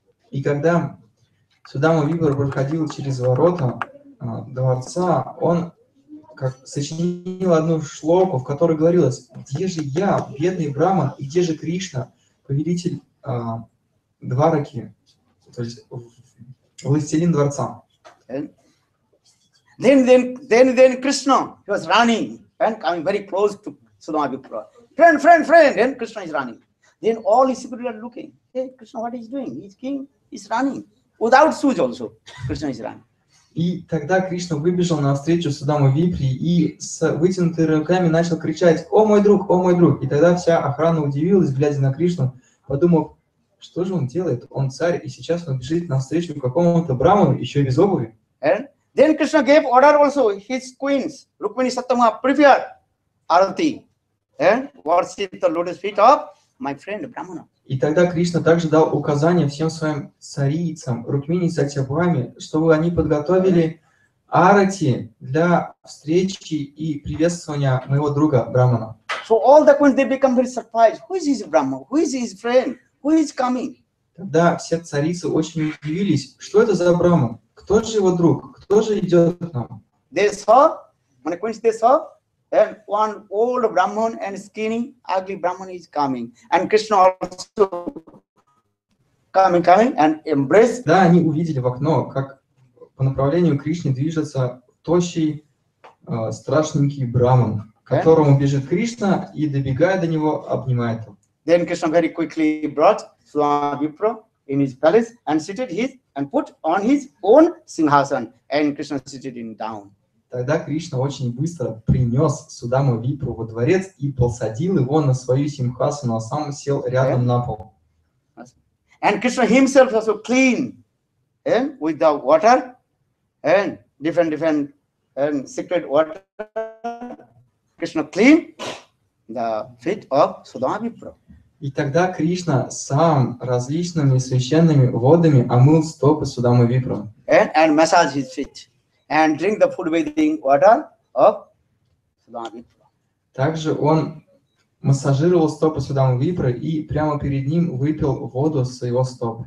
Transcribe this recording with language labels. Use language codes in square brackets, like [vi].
[ru] И когда Судама Вибор проходил через ворота дворца, он как сочинил одну шлоку, в которой говорилось: где же я, бедный Браман, и где же Кришна, повелитель Двараки, то есть властелин дворца. [en] Then Krishna, he was running and coming very close to Sudama Vipra. Friend, then Krishna is running. Then all his people are looking. Hey, Krishna, what is he doing? He's king, he's running. Without suit also, Krishna is running. [ru] И тогда Кришна выбежал навстречу Судаму Випре и с вытянутыми руками начал кричать: «О, мой друг! О, мой друг!» И тогда вся охрана удивилась, глядя на Кришну, подумав: что же он делает? Он царь, и сейчас он бежит навстречу какому-то браману, еще и без обуви. [en] And then Krishna gave order also his queens, Rukmini Sattama, prepare arati and worship the lotus feet of my friend Brahmana. [ru] И тогда Кришна также дал указание всем своим царицам, Рукмини и Сатьябхами, чтобы они подготовили арати для встречи и приветствования моего друга Брахмана. [en] So all the queens, they become very surprised. Who is this Brahma? Who is his friend? Who is coming? [ru] Тогда все царицы очень удивились. Что это за Брахма? Кто же его друг? Кто же идет к нам? [en] They saw, when the queens, they saw, and one old Brahman and skinny, ugly Brahman is coming. And Krishna also coming and embraced. [ru] Да, они увидели в окно, как по направлению к Кришне движется тощий, страшненький Брахман, к которому бежит Кришна и, добегая до него, обнимает его. [en] Then Krishna very quickly brought Sudama Vipra in his palace and seated his and put on his own singhasan. And Krishna seated him down. [ru] Тогда Кришна очень быстро принес Судаму Випру во дворец и посадил его на свою симхасану, а сам сел рядом на пол. [en] And Krishna himself also clean, with the water, and different secret water. Krishna clean the feet of Sudama Vipra. [ru] И тогда Кришна сам различными священными водами омыл стопы Судамы Випру. [en] And massage his feet. And drink the food bathing water of Sudama Vipra. [ru] Также он массажировал стопы Судамы Випры и прямо перед ним выпил воду с его стоп.